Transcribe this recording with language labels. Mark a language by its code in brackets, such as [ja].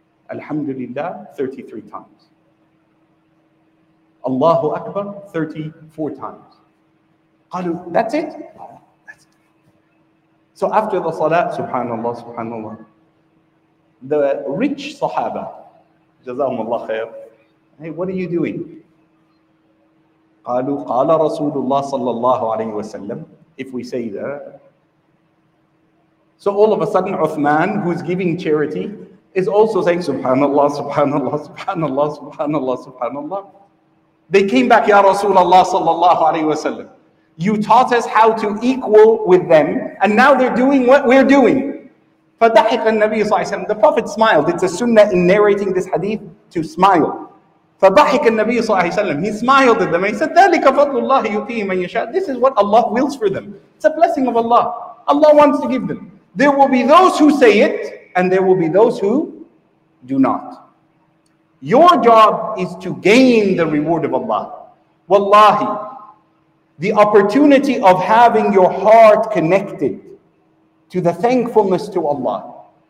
[en] Alhamdulillah 33 times. Allahu Akbar 34 times. Qalu, that's it? So after the salah, subhanallah, subhanallah, the rich sahaba, jazakumullah khair, hey, what are you doing? [ar] قالوا قال رسول الله صلى الله عليه وسلم. [en] If we say that, so all of a sudden Uthman, who's giving charity, is also saying subhanallah, subhanallah, subhanallah, subhanallah, subhanallah. They came back, ya Rasulullah صلى الله عليه وسلم, you taught us how to equal with them, and now they're doing what we're doing. [ar] فَدَحِقَ النَّبِيُّ صَلَّى اللَّهُ عَلَيْهِ وَسَلَّمَ. [en] The Prophet smiled. It's a sunnah in narrating this hadith to smile. [ar] فَدَحِقَ النَّبِيُّ صَلَّى اللَّهُ عَلَيْهِ وَسَلَّمَ. [en] He smiled at them. He said, [ar] ذَلِكَ فَضْلُ اللَّهِ يُؤْتِيهِ مَنْ يَشَاءُ. [en] This is what Allah wills for them. It's a blessing of Allah. Allah wants to give them. There will be those who say it, and there will be those who do not. Your job is to gain the reward of Allah. Wallahi. The opportunity of having your heart connected to the thankfulness to Allah,